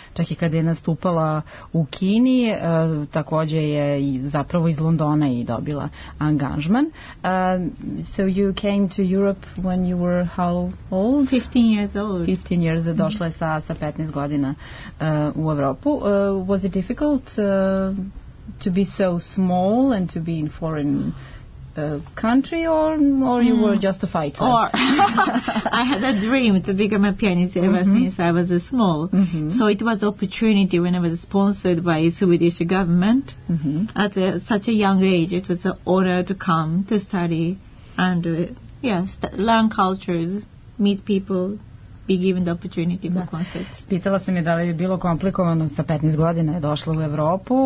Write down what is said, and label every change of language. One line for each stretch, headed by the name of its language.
Serbian: Čak i kada je nastupala u Kini, takođe je zapravo iz Londona i dobila angažman.
English: So you came to Europe when you were how old? 15 years old.
Serbian: Došla je sa 15 godina u Evropu.
English: Was it difficult to be so small and to be in foreign country, or you were just a fighter? Or I had a dream to become a pianist ever since I was small. So it was opportunity when I was sponsored by Swedish government at such a young age. It was an honor to come to study and learn cultures, meet people, be given the opportunity for concerts.
Serbian: Pitala sam je da li je bilo komplikovano, sa 15 godina je došla u Evropu.